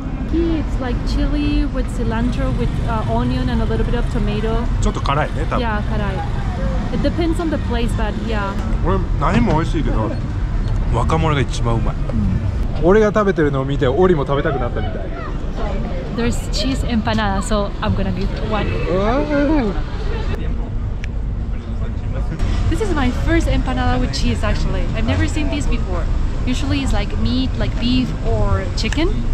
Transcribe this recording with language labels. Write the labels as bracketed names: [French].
[English] It's like chili with cilantro with、onion and a little bit of tomato. [Japanese] ちょっと辛いね、多分。 [English] Yeah, [Japanese] 辛い。 [English] It depends on the place, but yeah. [Japanese] これ何も美味しいけど、若者が一番うまい。俺が食べてるのを見て、オリも食べたくなったみたい。 [English] There's cheese empanada, so I'm gonna get one. This is my first empanada with cheese, actually. I've never seen these before. Usually it's like meat, like beef or chicken.